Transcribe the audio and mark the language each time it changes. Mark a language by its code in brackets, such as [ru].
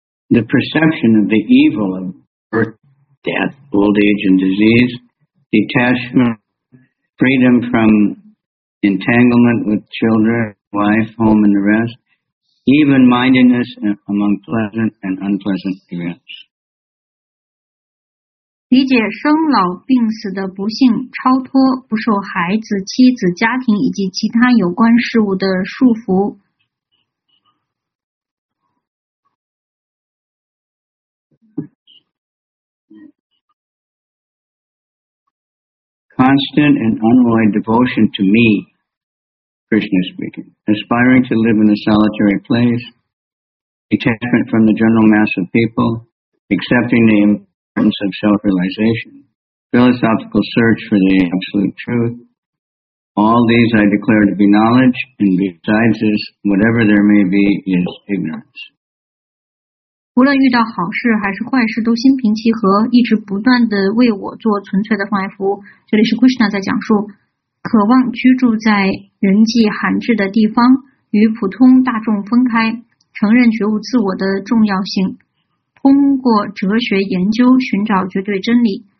[en] The perception of the evil of birth, death, old age, and disease. Detachment, freedom from entanglement with children, wife, home, and the rest, even mindedness among pleasant and unpleasant events. [zh] 理解生老病死的不幸，超脱，不受孩子、妻子、家庭以及其他有关事物的束缚。 [en] Constant and unalloyed devotion to me, Krishna speaking, aspiring to live in a solitary place, detachment from the general mass of people, accepting the importance of self-realization, philosophical search for the absolute truth, all these I declare to be knowledge, and besides this, whatever there may be is ignorance. [zh] 无论遇到好事还是坏事，都心平气和，一直不断地为我做纯粹的放爱服务。这里是 Krishna 在讲述，渴望居住在人迹罕至的地方，与普通大众分开，承认觉悟自我的重要性，通过哲学研究寻找绝对真理。